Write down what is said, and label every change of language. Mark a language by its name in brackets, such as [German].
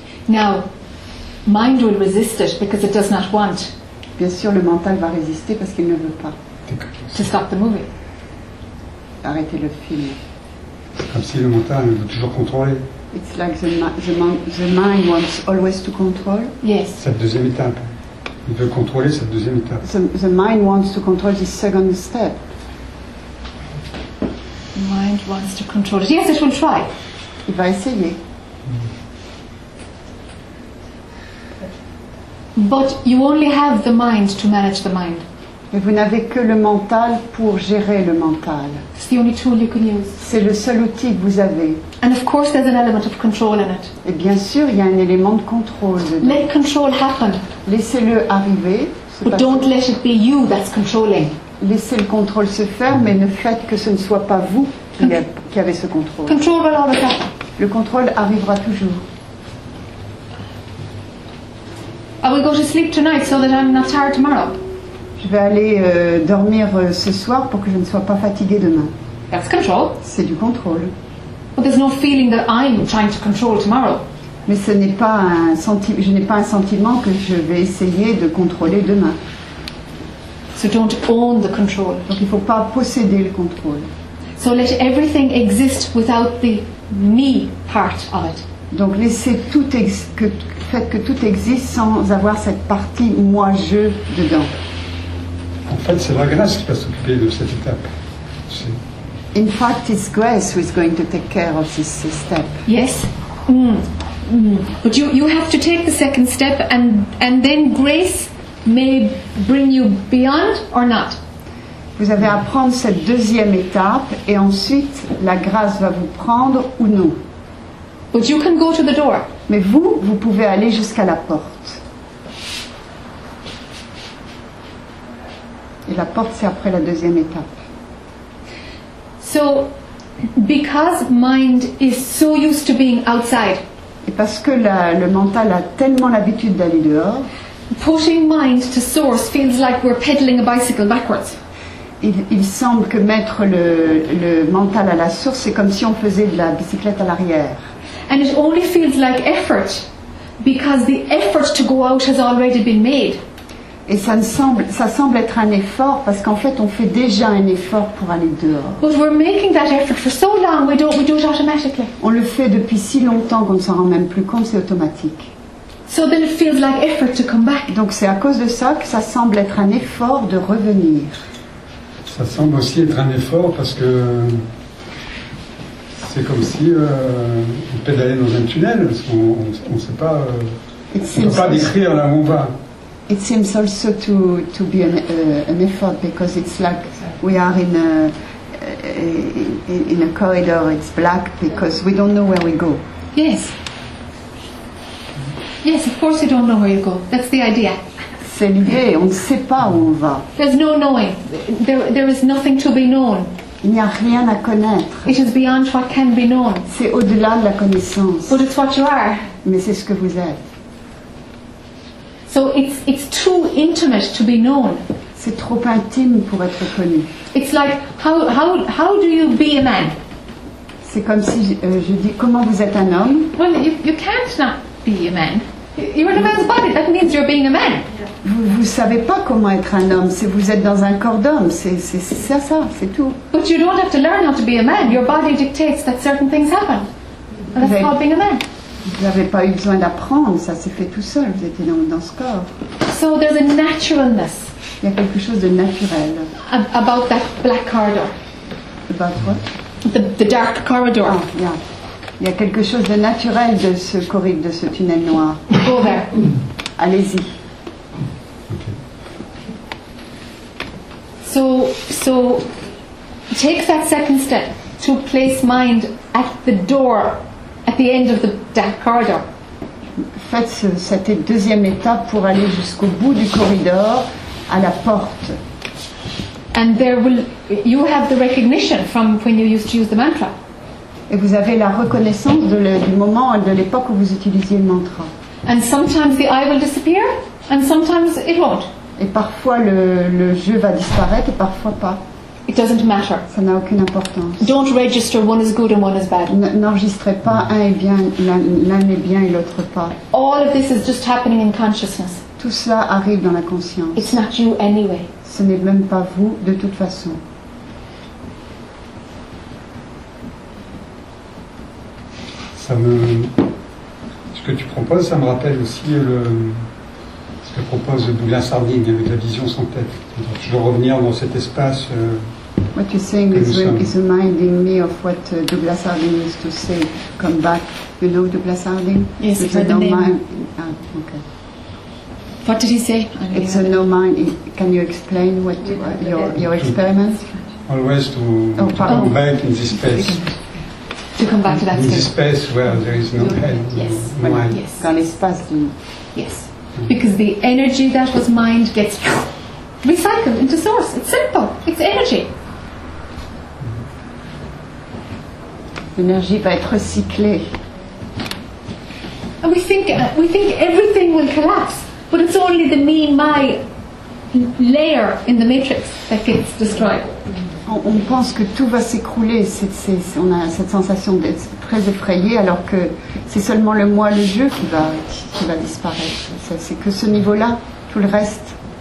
[English] Now, mind will resist it because it does not want. [French] Bien sûr, le mental va résister parce qu'il ne veut pas. [English] To stop the movie. [French] Arrêter le film. Comme si le mental veut toujours contrôler. [English] It's like the mind wants always to control. Yes. [French] Cette deuxième étape. Il veut contrôler cette deuxième étape. [English] The mind wants to control this second step. The mind wants to control it. Yes, it will try. [French] Il va essayer. Mm. [English] But you only have the mind to manage the mind. [French] Mais vous n'avez que le mental pour gérer le mental. [English] It's the only tool you can use. [French] C'est le seul outil que vous avez. [English] And of course there's an element of control in it. [French] Et bien sûr, il y a un élément de contrôle dedans. [English] Let control happen. [French] Laissez-le arriver. [English] But don't let it be you that's controlling. [French] Laissez le contrôle se faire, mais ne faites que ce ne soit pas vous qui avez ce contrôle. [English] Control will always happen. [French] Le contrôle arrivera toujours. [English] I will go to sleep tonight so that I'm not tired tomorrow. [French] Je vais aller dormir ce soir pour que je ne sois pas fatiguée demain. [English] That's control. [French] C'est du contrôle. [English] But there's no feeling that I'm trying to control tomorrow. [French] Mais ce n'est pas je n'ai pas un sentiment que je vais essayer de contrôler demain. [English] So don't own the control. [French] Donc il ne faut pas posséder le contrôle. [English] So let everything exist without the me part of it. [French] Donc laissez tout faites que tout existe sans avoir cette partie moi-je dedans. En fait, c'est la grâce qui va s'occuper de cette étape. C'est... [English] In fact, it's grace who is going to take care of this step. Yes. Mm. Mm. But you have to take the second step and then grace may bring you beyond or not. [French] Vous avez à prendre cette deuxième étape et ensuite la grâce va vous prendre ou non. [English] But you can go to the door. [French] Mais vous pouvez aller jusqu'à la porte. Et la porte, c'est après la deuxième étape. [English] So, because mind is so used to being outside. [French] Et parce que le mental a tellement l'habitude d'aller dehors. [English] Pushing mind to source feels like we're pedaling a bicycle backwards. [French] Il semble que mettre le mental à la source, c'est comme si on faisait de la bicyclette à l'arrière. [English] And it only feels like effort, because the effort to go out has already been made. [French] Et ça semble être un effort, parce qu'en fait, on fait déjà un effort pour aller dehors. [English] But we're making that effort for so long, we do it automatically. [French] On le fait depuis si longtemps qu'on ne s'en rend même plus compte, c'est automatique. [English] So then it feels like effort to come back. [French] Donc c'est à cause de ça que ça semble être un effort de revenir. Ça semble aussi être un effort parce que c'est comme si on pédalait dans un tunnel, parce qu'on ne sait pas, on peut pas décrire là où on va. [English] It seems also to be an effort because it's like we are in a corridor, it's black because we don't know where we go. Yes. Yes, of course you don't know where you go. That's the idea. [French] C'est l'idée, on ne sait pas où on va. [English] There's no knowing. There is nothing to be known. [French] Il n'y a rien à connaître. [English] It is beyond what can be known. [French] C'est au-delà de la connaissance. [English] But it's what you are. [French] Mais c'est ce que vous êtes. [English] So it's too intimate to be known. [French] C'est trop intime pour être connu. [English] It's like, how do you be a man? [French] C'est comme si je dis, comment vous êtes un homme? [English] Well, you can't not be a man. You're in a man's body, that means you're being a man. [French] Vous savez pas comment être un homme, c'est vous êtes dans un corps d'homme, c'est ça, c'est tout. [English] But you don't have to learn how to be a man, your body dictates that certain things happen. And that's called being a man. [French] Vous n'avez pas eu besoin d'apprendre, ça s'est fait tout seul, vous étiez dans ce corps. [English] So there's a naturalness. [French] Il y a quelque chose de naturel. [English] About that black corridor. About what? The dark corridor. Ah, yeah. [French] Il y a quelque chose de naturel de ce corridor, de ce tunnel noir. [English] Go there. [French] Allez-y. [English] So take that second step to place mind at the door, at the end of the dark corridor. [French] Faites cette deuxième étape pour aller jusqu'au bout du corridor, à la porte. [English] And there will, you have the recognition from when you used to use the mantra. [French] Et vous avez la reconnaissance du moment, de l'époque où vous utilisiez le mantra. [English] And sometimes the eye will disappear, and sometimes it won't. [French] Et parfois le jeu va disparaître et parfois pas. [English] It doesn't matter. [French] Ça n'a aucune importance. [English] Don't register one is good and one is bad. [French] N'enregistrez pas un est bien, l'un est bien et l'autre pas. [English] All of this is just happening in consciousness. [French] Tout cela arrive dans la conscience. [English] It's not you anyway. [French] Ce n'est même pas vous de toute façon. Ce que tu proposes, ça me rappelle aussi le. Ce que propose le bouillon sardine avec la vision sans tête. Donc, je veux revenir dans cet espace. [English] What you're saying is reminding me of what Douglas Harding used to say. Come back. You know Douglas Harding? Yes, it's a no mind. Ah, okay. What did he say? It's a no mind. Can you explain what your experiment? Always to come back in this space. To come back to that in this space where there is no head, no mind. [French] Yes. Dans l'espace du. [English] Yes. Because the energy that was mind gets recycled into source. It's simple. It's energy. [French] L'énergie va être recyclée. [English] And we think everything will collapse, but it's only the me, my layer in the matrix that gets destroyed. [French] On pense que tout va s'écrouler. On a cette sensation d'être très effrayé, alors que c'est seulement le moi, le jeu qui va disparaître. C'est que ce niveau-là, tout le reste.